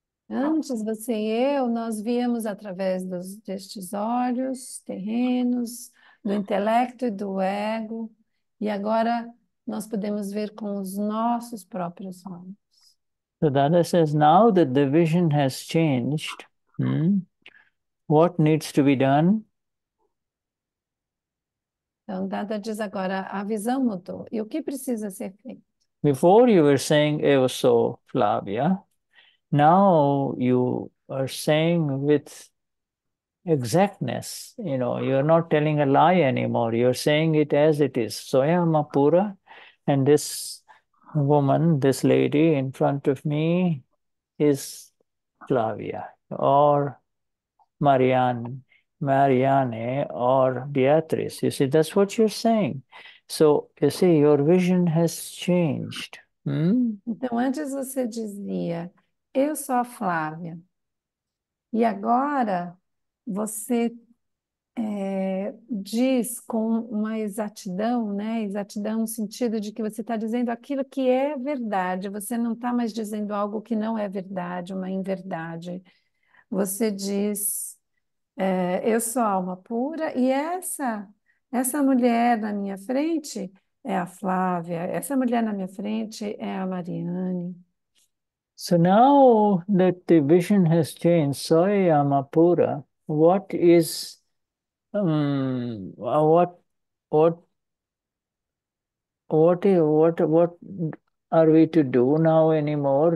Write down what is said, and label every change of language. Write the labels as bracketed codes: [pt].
[pt] Antes você e eu, nós víamos através destes olhos terrenos, do intelecto e do ego, e agora nós podemos ver com os nossos próprios olhos. [en] So Dada says, now that the vision has changed, what needs to be done? [pt] Então, Dada diz agora, a visão mudou. E o que precisa ser feito? [en] Before you were saying, [pt] eu sou Flávia. [en] Now you are saying with exactness. You're not telling a lie anymore. You're saying it as it is. Soyama Pura and this woman, this lady in front of me is Flavia or Marianne or Beatrice. You see, that's what you're saying. So, you see, your vision has changed. [pt] Então, antes você dizia, eu sou a Flávia, e agora você diz com uma exatidão, né? Exatidão no sentido de que você está dizendo aquilo que é verdade, você não está mais dizendo algo que não é verdade, uma inverdade. Você diz, eu sou a alma pura, e essa mulher na minha frente. É a Flávia, essa mulher na minha frente é a Mariane. [en] So now that the vision has changed, Soyama Pura, what is, what are we to do now anymore?